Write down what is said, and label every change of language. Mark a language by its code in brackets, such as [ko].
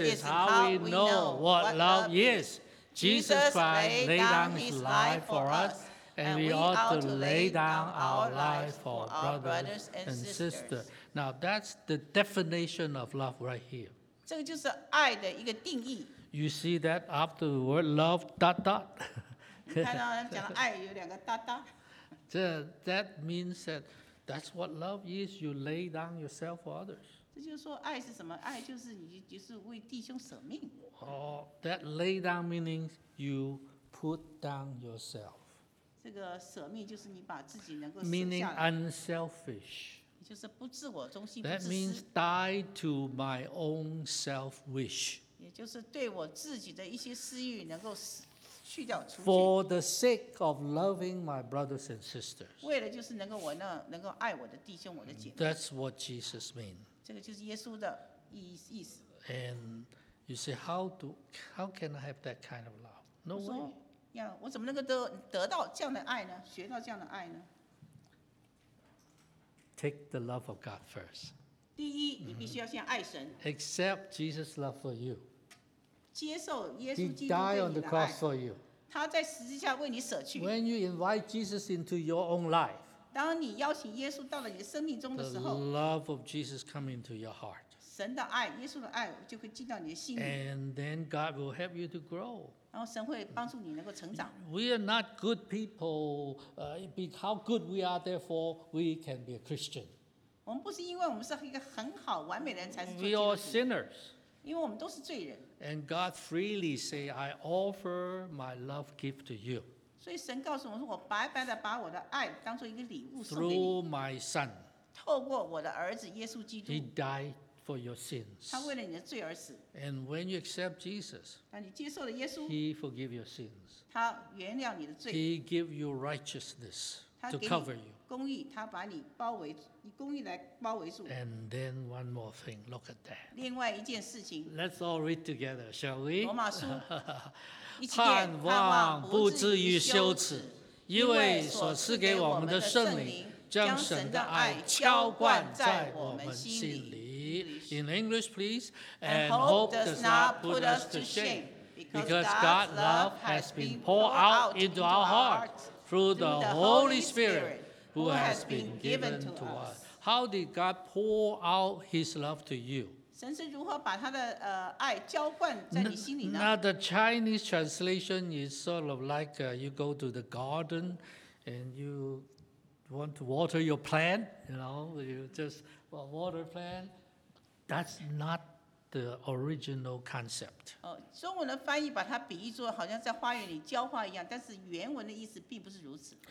[en] is how we know what love is. Jesus Christ laid down His life for us. And we ought to lay down our lives for our brothers and sisters. Now that's the definition of love right here. [zh] 这个就是爱的一个定义。 [en] You see that after the word love, dot dot. [zh] 看到讲爱有两个 [en] dot dot. That means that that's what love is. You lay down yourself for others. [zh] 这就是说爱是什么？爱就是你就是为弟兄舍命。 [en] Oh, that lay down meaning you put down yourself. [zh] 这个舍命就是你把自己能够舍下来。 [en] Meaning unselfish. [zh] 就是不自我中心。 [en] That means die to my own self wish. [zh] 也就是对我自己的一些私欲能够去掉除去。 [en] For the sake of loving my brothers and sisters. [zh] 为了就是能够我能够爱我的弟兄我的姐妹。 [en] That's what Jesus means. [zh] 这个就是耶稣的意思。 [en] And you say how can I have that kind of love? No way. [zh] Yeah, 我怎么能够 得到这样的爱呢？学到这样的爱呢 [en] ？Take the love of God first. [zh] 第一，你必须要先爱神。 Mm-hmm. [en] Accept Jesus' love for you. [zh] 接受耶稣基督对你的爱。 [en] He died on the cross for you. [zh] 他在十字架为你舍去。 [en] When you invite Jesus into your own life, [zh] 当你邀请耶稣到了你的生命中的时候 [en] ，the love of Jesus come into your heart. [zh] 神的爱，耶稣的爱就会进到你的心里。 [en] And then God will help you to grow. [zh] 然后神会帮助你能够成长。 [en] We are not good people, because how good we are, therefore we can be a Christian. [zh] 我们不是因为我们是一个很好完美的人才是做基督徒。 [en] We are sinners. [zh] 因为我们都是罪人。 [en] And God freely say, I offer my love gift to you. [zh] 所以神告诉我说，我白白的把我的爱当做一个礼物送给你。 [en] Through my Son. [zh] 透过我的儿子耶稣基督。 [en] He died. For your sins. [zh] 他为了你的罪而死。 [en] And when you accept Jesus, [zh] 当你接受了耶稣, [en] He forgives your sins. [zh] 他原谅你的罪。 [en] He gives you righteousness to cover you. [zh] 他给你公义, 他把你包围, 以公义来包围住。 [en] And then one more thing, look at that. [zh] 另外一件事情。 [en] Let's all read together, shall we? [zh] 罗马书, 一起念, 盼望不至于羞耻, 因为所赐给我们的圣灵, 将神的爱浇灌在我们心里。 [en] In English, please. And hope does not put us to shame, because God's love has been poured out into our heart through the Holy Spirit who has been given to us. How did God pour out His love to you? [zh] 神是如何把他的爱浇灌在你心里呢？ [en] Now the Chinese translation is sort of like you go to the garden and you want to water your plant, you know, you just water plant. That's not the original concept. [zh] 中文的翻译把它比喻作好像在花园里浇花一样，但是原文的意思并不是如此。